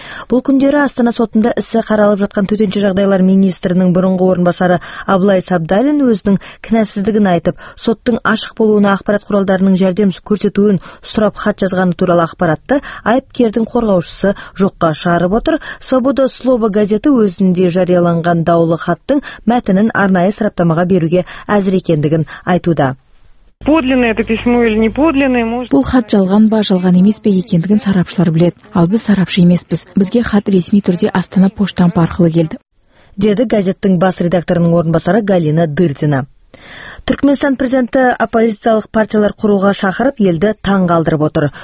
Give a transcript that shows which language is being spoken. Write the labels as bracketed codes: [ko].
[kk] Бұл күндері Астана сотында ісі қаралып жатқан төтенше жағдайлар министрінің бұрынғы орынбасары Абылай Сабдалин өзінің кінәсіздігін айтып, соттың ашық болуына ақпарат құралдарының жәрдем көрсетуін сұрап хат жазғаны туралы ақпаратты айыпкердің қорғаушысы жоққа шығарып отыр. Свобода Слова газеті өзінде жарияланған даулы хаттың мәтінін арнайы сараптамаға беруге әзір екендігін айтуда. [ru] Подлинное это письмо или неподлинное? [kk] Бұл хат жалған ба, жалған емес пе екендігін сарапшылар біледі. Ал біз сарапшы емеспіз. Бізге хат ресми түрде Астана поштамп арқылы келді. Деді газеттің бас редакторының орынбасары Галина Дырдина. Түркменстан президенті оппозициялық партиялар құруға шақырып, елді таң қалдырып отыр.